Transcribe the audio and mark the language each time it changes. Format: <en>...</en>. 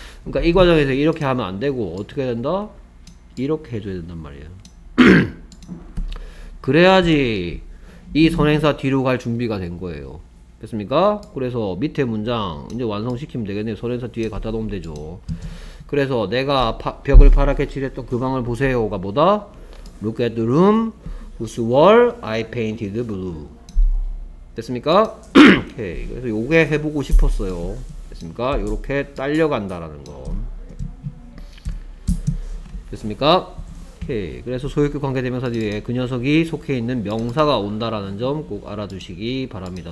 <ko>그러니까 이 과정에서 이렇게 하면 안 되고 어떻게 해야 된다? 이렇게 해줘야 된단 말이에요. 그래야지 이 선행사 뒤로 갈 준비가 된 거예요. 됐습니까? 그래서 밑에 문장 이제 완성시키면 되겠네요. 선행사 뒤에 갖다 놓으면 되죠. 그래서 내가 벽을 파랗게 칠했던 그 방을 보세요가 뭐다?</ko> <en>Look at the room whose wall I painted blue.</en> <ko>됐습니까? 오케이. 그래서 요게 해보고 싶었어요. 됐습니까? 요렇게 딸려간다라는 거. 됐습니까? 오케이. 그래서 소유격 관계대명사 뒤에 그 녀석이 속해 있는 명사가 온다라는 점 꼭 알아두시기 바랍니다.</ko>